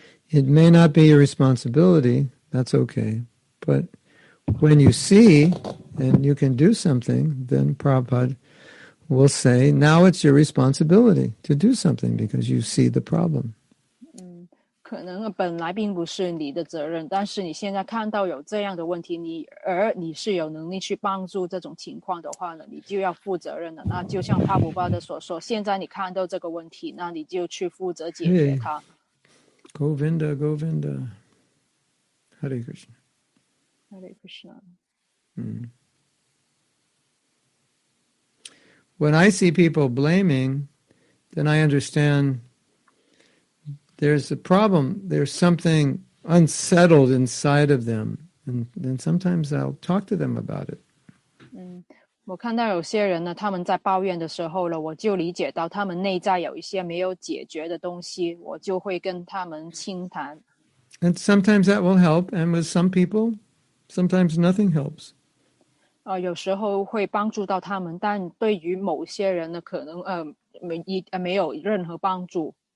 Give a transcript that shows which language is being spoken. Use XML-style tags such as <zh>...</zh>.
<en>It may not be your responsibility, that's okay. But when you see and you can do something, then Prabhupada will say, now it's your responsibility to do something because you see the problem.</en> <zh>可能本来并不是你的责任，但是你现在看到有这样的问题，而你是有能力去帮助这种情况的话呢，你就要负责任了。那就像帕布巴德所说，现在你看到这个问题，那你就去负责解决它。</zh> <en>Hey,</en> <sa>Govinda, Govinda, Hare Krishna, Hare Krishna.</sa> <en>When I see people blaming, then I understand there's a problem. There's something unsettled inside of them. And then sometimes I'll talk to them about it.</en> <zh>我看到有些人呢，他们在抱怨的时候呢，我就理解到他们内在有一些没有解决的东西，我就会跟他们倾谈。</zh> <en>And sometimes that will help. And with some people, sometimes nothing helps.</en> <zh>有时候会帮助到他们，但对于某些人呢，可能没有任何帮助。</zh>